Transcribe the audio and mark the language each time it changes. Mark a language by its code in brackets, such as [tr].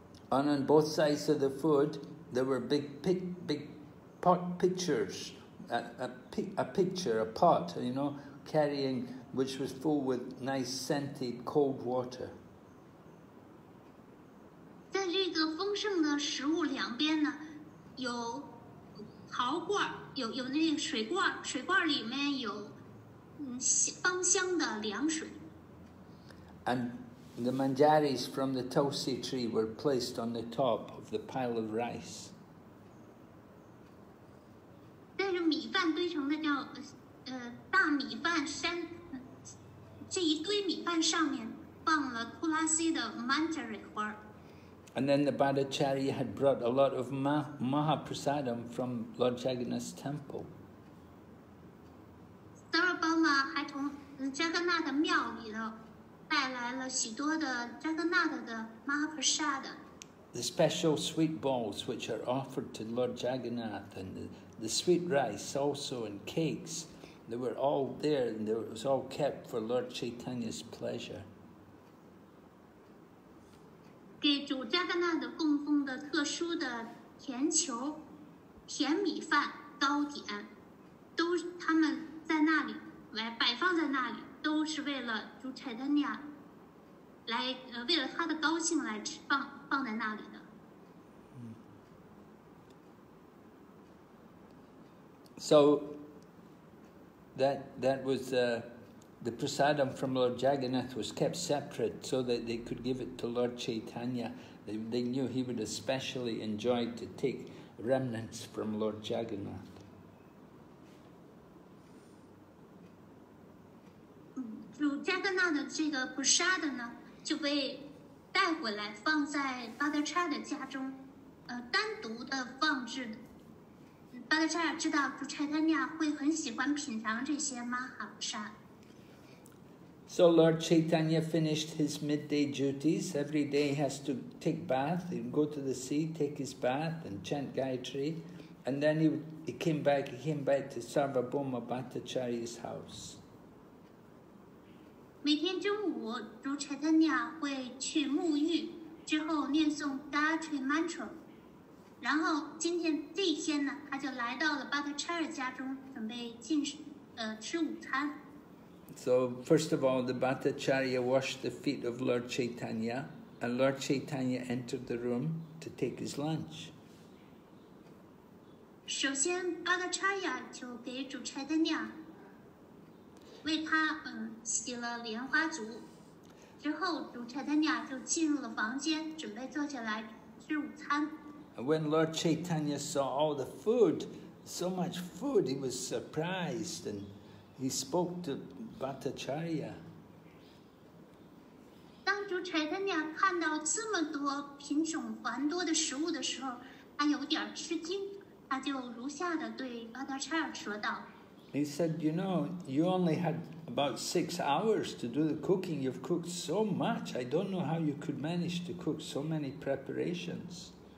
[en] And on both sides of the food, there were big pot pictures, a pot, you know, carrying... which was full with nice scented cold water. [zh] 在这个丰盛的食物两边呢，有陶罐，有那个水罐，水罐里面有芳香的凉水。 [en] And the manjaris from the tulsi tree were placed on the top of the pile of rice. [zh] 带着米饭堆成的叫大米饭山。这一堆米饭上面放了库拉西的曼加瑞花。 [en] And then the Bhattacharya had brought a lot of Mahaprasadam from Lord Jagannath's temple. [zh] Sarabhauma 还从 Jagannath 的庙里头带来了许多的 Jagannath 的 Mahaprasadam. [en] The special sweet balls which are offered to Lord Jagannath and the sweet rice also and cakes. They were all there, and it was all kept for Lord Chaitanya's pleasure. [zh] 给主迦格纳的供奉的特殊的甜球、甜米饭、糕点，都他们在那里摆放在那里，都是为了主柴丹尼亚来为了他的高兴来吃放在那里的。 [en] So. That was the prasadam from Lord Jagannath was kept separate so that they could give it to Lord Chaitanya. They knew he would especially enjoy to take remnants from Lord Jagannath. Jagannath's prasadam was kept [zh] 单独的放置。巴达查亚知道主柴丹尼亚会很喜欢品尝这些玛哈普沙。 [en] So Lord Chaitanya finished his midday duties. Every day he has to take bath, he would go to the sea, take his bath and chant Gayatri. And then he came back to Sarvabhauma Bhattacharya's house. [zh] 每天中午，如柴丹尼亚会去沐浴，之后念诵 Gayatri Mantra. 然后今天这一天呢，他就来到了 Bhattacharya 家中，准备吃午餐。 [en] So first of all, the Bhattacharya washed the feet of Lord Chaitanya, and Lord Chaitanya entered the room to take his lunch. [zh] 首先，巴达查亚就给主柴丹尼亚为他洗了莲花足，之后主柴丹尼亚就进入了房间，准备坐下来吃午餐。 [en] And when Lord Chaitanya saw all the food, so much food, he was surprised and he spoke to Bhattacharya. [zh] 当主柴丹尼亚看到这么多品种繁多的食物的时候，他有点吃惊，他就如下的对巴达查亚说道。 [en] He said, "You know, you only had about 6 hours to do the cooking. You've cooked so much. I don't know how you could manage to cook so many preparations."